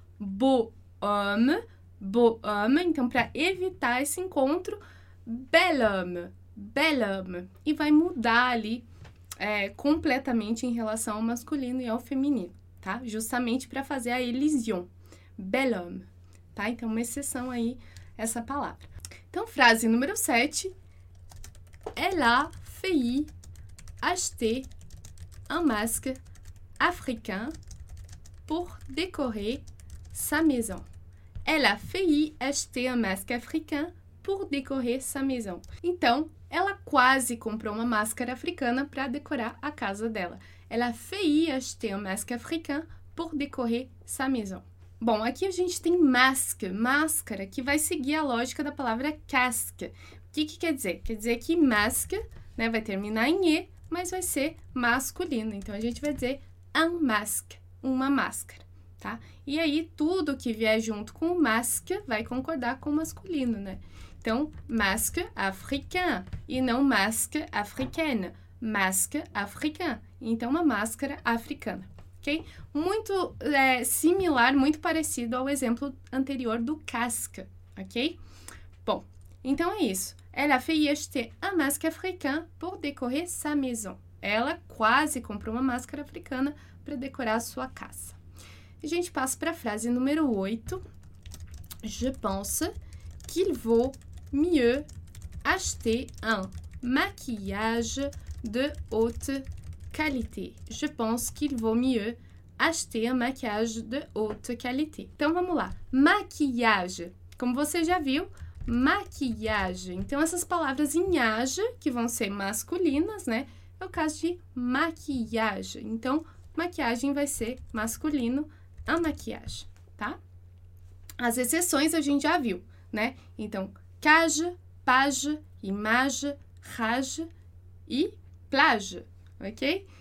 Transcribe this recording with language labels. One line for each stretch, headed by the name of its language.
French: Beau homme, beau homme.
Portuguese: Então, para evitar esse encontro,
French: bel homme, bel homme.
Portuguese: E vai mudar ali completamente em relação ao masculino e ao feminino, tá? Justamente para fazer a elision, bel homme, tá? Então, uma exceção aí, essa palavra. Então, frase número 7.
French: Elle a failli acheter un masque africain pour décorer sa maison. Elle a failli acheter un masque africain pour décorer sa maison.
Portuguese: Então, ela quase comprou uma máscara africana para decorar a casa dela.
French: Elle a failli acheter un masque africain pour décorer sa maison.
Portuguese: Bom, aqui a gente tem masque, máscara, que vai seguir a lógica da palavra casque. O que que quer dizer? Quer dizer que masque, né, vai terminar em E, mas vai ser masculino. Então, a gente vai dizer un masque, uma máscara, tá? E aí, tudo que vier junto com masque vai concordar com masculino, né? Então, masque africain e não masque africaine. Masque africain. Então, uma máscara africana, ok? Muito similar, muito parecido ao exemplo anterior do casque, ok? Bom, então é isso.
French: Elle a failli acheter un masque africain pour décorer sa maison.
Portuguese: Ela quase comprou uma máscara africana para decorar a sua casa. E a gente passa para a frase número 8.
French: Je pense qu'il vaut mieux acheter un maquillage de haute qualité. Je pense qu'il vaut mieux acheter un maquillage de haute qualité.
Portuguese: Então vamos lá. Maquillage. Como você já viu, maquiagem. Então, essas palavras inhage, que vão ser masculinas, né? É o caso de maquiagem. Então, maquiagem vai ser masculino, a maquiagem, tá? As exceções a gente já viu, né? Então, cage, page, image, rage e plage, ok?